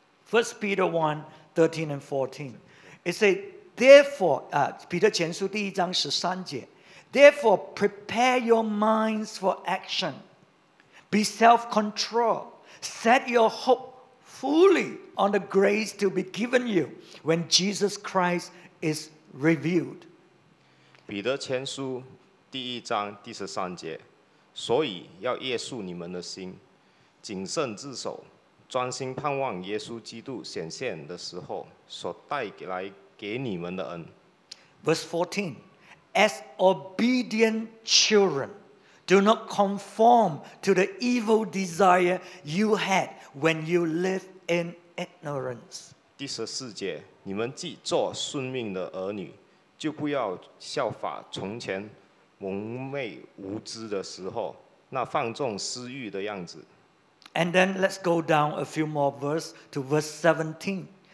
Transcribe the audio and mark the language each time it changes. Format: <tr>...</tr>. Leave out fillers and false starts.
<en>1 Peter 1, 13 and 14. It says, therefore,</en> <zh>彼得前书第一章十三节,</zh> <en>therefore, prepare your minds for action. Be self-controlled. Set your hope fully on the grace to be given you when Jesus Christ is revealed.</en> <zh>彼得前书第一章第十三节, 所以要约束你们的心, 谨慎自守, 专心盼望耶稣基督显现的时候, 所带来给你们的恩。</zh> <en>Verse 14, as obedient children, do not conform to the evil desire you had when you lived in ignorance.</en> <zh>第十四节, 你们既做顺命的儿女, 就不要效法从前蒙昧无知的时候, 那放纵私欲的样子。</zh> <en>And then let's go down a few more verses to verse 17.</en>